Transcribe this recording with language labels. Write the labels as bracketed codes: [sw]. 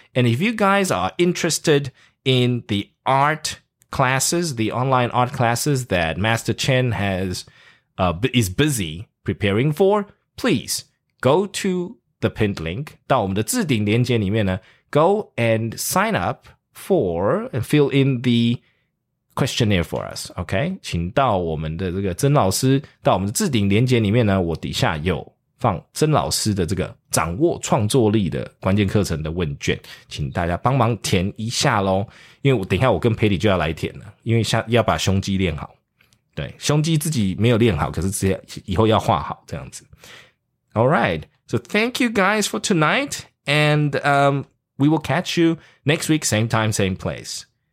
[en] And if you guys are interested in the art classes, the online art classes that Master Chen has is busy preparing for, please. Go to the pinned link, [zh] 到我们的置顶连接里面呢 [en] go and sign up for, and fill in the questionnaire for us, okay? [zh] 请到我们的这个曾老师，到我们的置顶连接里面呢，我底下有放曾老师的这个掌握创作力的关键课程的问卷，请大家帮忙填一下咯，因为我等一下我跟 Patty 就要来填了，因为要把胸肌练好，对，胸肌自己没有练好，可是直接以后要画好这样子。 [en] Alright, so thank you guys for tonight, and we will catch you next week, same time, same place.